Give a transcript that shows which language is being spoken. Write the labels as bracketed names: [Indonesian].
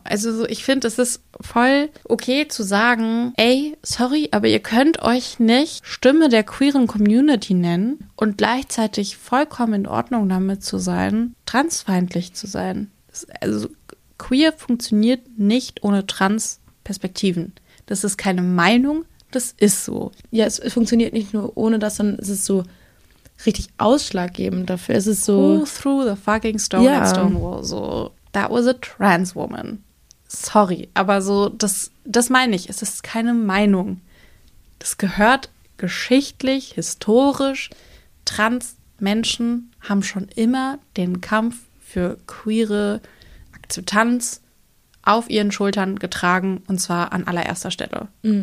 [German] Also so, ich finde, es ist voll okay zu sagen, ey, sorry, aber ihr könnt euch nicht Stimme der queeren Community nennen und gleichzeitig vollkommen in Ordnung damit zu sein, transfeindlich zu sein. Also queer funktioniert nicht ohne Trans-Perspektiven. Das ist keine Meinung, das ist so. Ja, es funktioniert nicht nur ohne das, sondern es ist so richtig ausschlaggebend dafür. Es ist so. [English] Who threw the fucking stone at Stonewall? So, that was a trans woman. [German] Sorry, aber so, das meine ich. Es ist keine Meinung. Das gehört geschichtlich, historisch. Trans Menschen haben schon immer den Kampf für queere Akzeptanz auf ihren Schultern getragen, und zwar an allererster Stelle. Mhm.